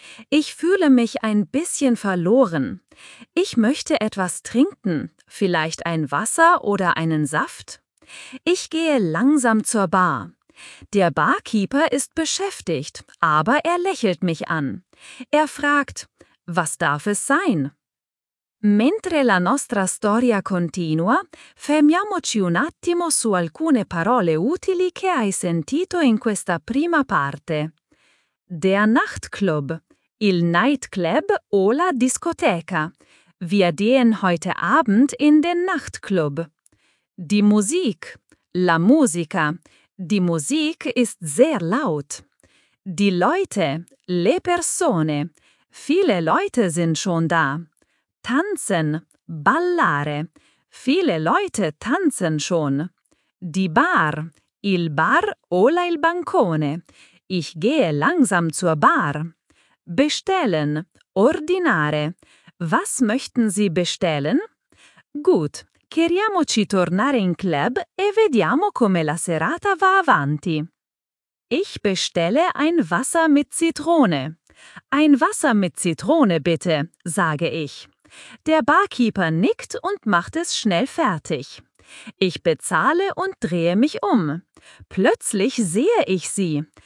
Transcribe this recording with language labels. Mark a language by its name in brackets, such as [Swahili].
[German] Ich fühle mich ein bisschen verloren. Ich möchte etwas trinken, vielleicht ein Wasser oder einen Saft. Ich gehe langsam zur Bar. Der Barkeeper ist beschäftigt, aber er lächelt mich an. Er fragt: Was darf es sein? [Italian] Mentre la nostra storia continua, fermiamoci un attimo su alcune parole utili che hai sentito in questa prima parte. [German] Der Nachtclub. [Italian] Il nightclub o la discoteca. [German] Wir gehen heute Abend in den Nachtclub. Die Musik. [Italian] La musica. [German] Die Musik ist sehr laut. Die Leute. [Italian] Le persone. [German] Viele Leute sind schon da. Tanzen. Ballare. Viele Leute tanzen schon. Die Bar. [Italian] Il bar o il bancone. [German] Ich gehe langsam zur Bar. Bestellen. Ordinare. Was möchten Sie bestellen? [Italian] Gut, chiariamoci tornare in club e vediamo come la serata va avanti. [German] Ich bestelle ein Wasser mit Zitrone. Ein Wasser mit Zitrone, bitte, sage ich. Der Barkeeper nickt und macht es schnell fertig. Ich bezahle und drehe mich um. Plötzlich sehe ich sie.